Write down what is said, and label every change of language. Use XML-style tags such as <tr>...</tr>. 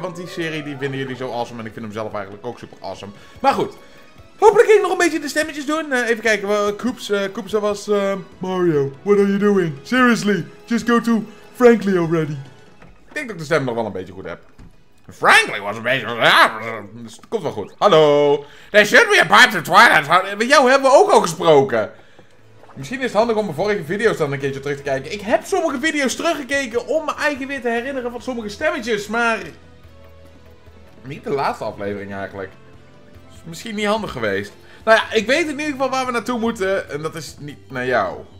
<nl>Want die serie die vinden jullie zo awesome. En ik vind hem zelf eigenlijk ook super awesome. Maar goed. Hopelijk kan ik nog een beetje de stemmetjes doen. Even kijken, Koeps, dat was...</nl> <en>Mario, what are you doing? Seriously, just go to Frankly already.</en> <nl>Ik denk dat ik de stem nog wel een beetje goed heb. Frankly was een beetje... Dus het komt wel goed.</nl> <en>Hallo, there should be a part of Twilight.</en> <nl>Met jou hebben we ook al gesproken. Misschien is het handig om mijn vorige video's dan een keertje terug te kijken. Ik heb sommige video's teruggekeken om mijn eigen weer te herinneren van sommige stemmetjes, maar... Niet de laatste aflevering eigenlijk. Misschien niet handig geweest. Nou ja, ik weet in ieder geval waar we naartoe moeten. En dat is niet naar jou.</nl>